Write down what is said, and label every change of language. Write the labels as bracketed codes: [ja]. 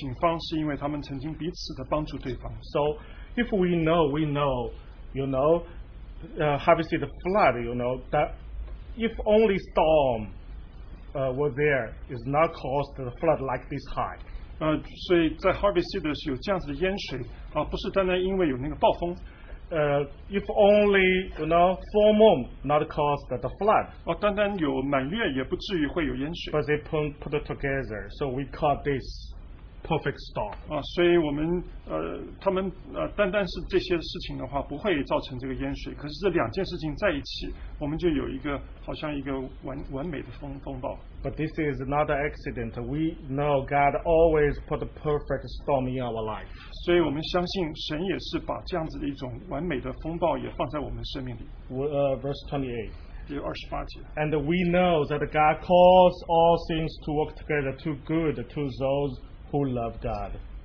[zh] 所以我认识到他们不会在他们午夜这么吵杂却没有叫警方，是因为他们曾经彼此的帮助对方。 [en] So if we know, you know, obviously the flood, you know, that if only storm were there is not caused the flood like this high. [zh] 所以在 Harvey Cedars 有这样子的淹水，不是单单因为有那个暴风。 [en] If only you know full moon not caused the flood. [zh] 单单有满月也不至于会有淹水。 [en] But they put it together, so we call this perfect storm. [zh] 所以我们单单是这些事情的话 不会造成这个淹水, 可是这两件事情在一起, 我们就有一个好像一个完美的风暴。 [en] But this is not an accident. We know God always put a perfect storm in our life. [zh] 所以我们相信神也是把这样子的一种完美的风暴也放在我们生命里。 [en] Verse 28. And we know that God calls all things to work together to good to those who love God.